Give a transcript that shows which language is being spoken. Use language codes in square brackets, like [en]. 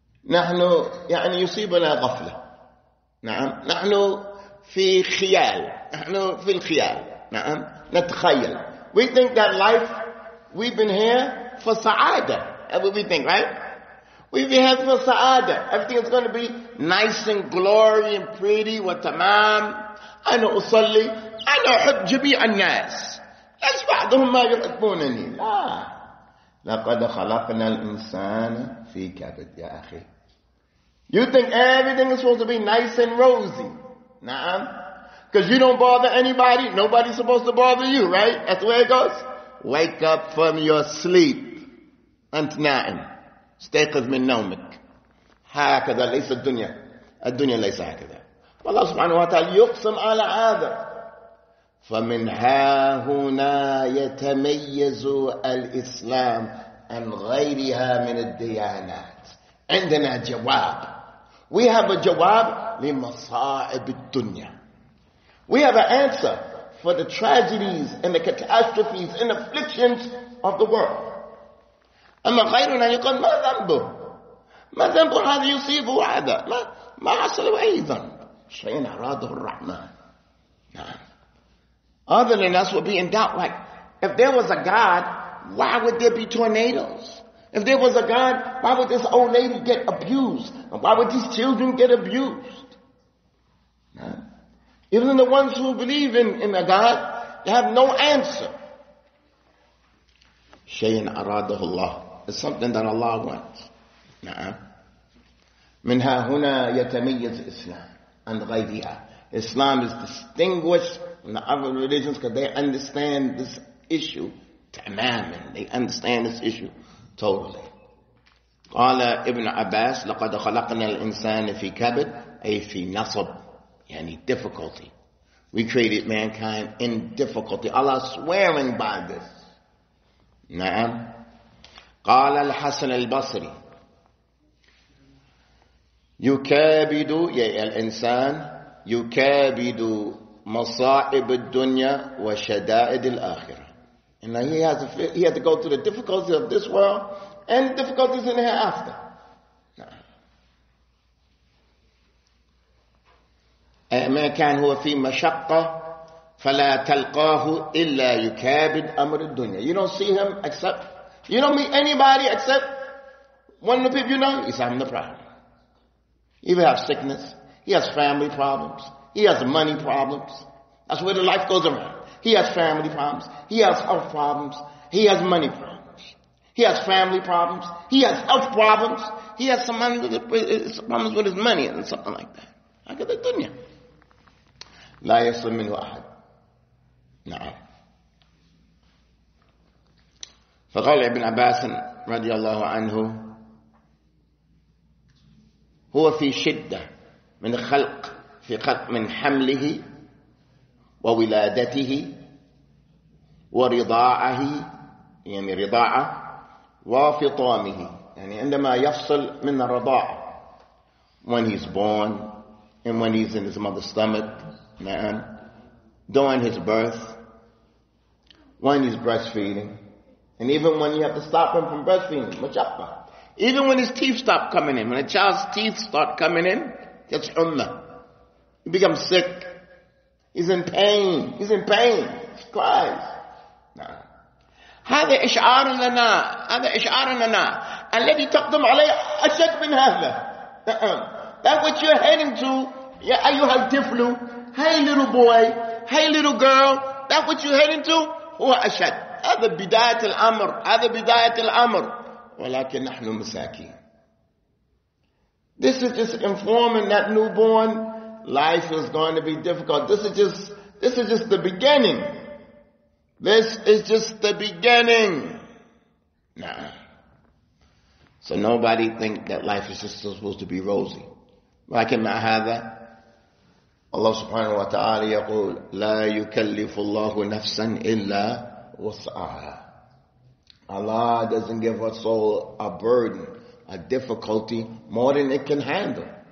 [ar] نحن يعني يصيبنا غفلة نعم نحن في خيال نحن في الخيال نعم نتخيل [en] we think that life we've been here for [ar] سعادة [en] that's what we think right we've been here for سعادة everything is going to be nice and glory and pretty [ar] وتمام أنا أصلي أنا أحب جميع الناس ليش بعضهم ما يحبونني لا لقد خلقنا الإنسان في كبد يا أخي. [en] You think everything is supposed to be nice and rosy, [ar] نعم? [en] Because you don't bother anybody, nobody's supposed to bother you, right? That's the way it goes. Wake up from your sleep. [ar] أنت نائم. استيقظ من نومك. هكذا ليس الدنيا. الدنيا ليس هكذا. والله سبحانه وتعالى يقسم على هذا. فمن ها هنا يتميز الإسلام عن غيرها من الديانات عندنا جواب [en] We have a [ar] جواب لمصائب الدنيا [en] We have an answer for the tragedies and the catastrophes and afflictions of the world [ar] أما غيرنا يقول ما ذنبه ما ذنب هذا يصيبه هذا ما حصله أيضا شيء أراده الرحمن نعم [en] Other than us would be in doubt. Like, if there was a God, why would there be tornadoes? If there was a God, why would this old lady get abused? And why would these children get abused? Huh? Even the ones who believe in a God, they have no answer. [ar] شَيْءٍ أَرَادَهُ اللَّهُ [en] It's something that Allah wants. [ar] مِنْهَا هُنَا يَتَمِيَّزْ إِسْلَامِ عَنْ غَيْرِهَا [en] Islam is distinguished from the other religions because they understand this issue tamamen. They understand this issue totally. [ar] قال ابن عباس لقد خلقنا الإنسان في كبد أي في نصب يعني difficulty. [en] We created mankind in difficulty. Allah swearing by this. [ar] نعم. قال الحسن البصري يكابد الإنسان يكابد مصاعب الدنيا وشدائد الآخرة. [en] And he had to go through the difficulties of this world and difficulties in the hereafter. [ar] ما كان هو في مشقة فلا تلقاه إلا يكابد أمر الدنيا. [en] You don't see him except, you don't meet anybody except one of the people you know, he's having the problem. He may have sickness, he has family problems, he has money problems. That's where the life goes around. He has family problems, he has health problems, he has money problems. He has family problems, he has health problems, he has some problems with his money and something like that. Look at the dunya. [ar] لا يصل منه أحد. نعم. فقال ابن عباس رضي الله عنه هو في شدة من خلق في خلق من حمله وولادته ورضاعه يعني رضاعة وفطامه يعني عندما يفصل من الرضاعة [en] when he's born and when he's in his mother's stomach. Man, during his birth, when he's breastfeeding, and even when you have to stop him from breastfeeding, mashaqqa. Even when his teeth stop coming in, when a child's teeth start coming in, gets ummah. He becomes sick. He's in pain. He's in pain. He cries. [ar] هذا إشعار لنا. هذا إشعار لنا. الذي تقدم عليه أشد من هذا. [en] That which you're heading to, [ar] يا أيها الطفل. [en] Hey little boy, hey little girl, that what you're heading to? [ar] هو أشد. هذا بداية الأمر. هذا بداية الأمر. ولكن نحن مساكين. [en] This is just informing that newborn life is going to be difficult. This is just the beginning. This is just the beginning. Nah. So nobody think that life is just supposed to be rosy. [ar] ولكن مع هذا الله سبحانه وتعالى يقول لا يكلف الله نفسا إلا وسعها. [en] Allah doesn't give a soul a burden, a difficulty more than it can handle.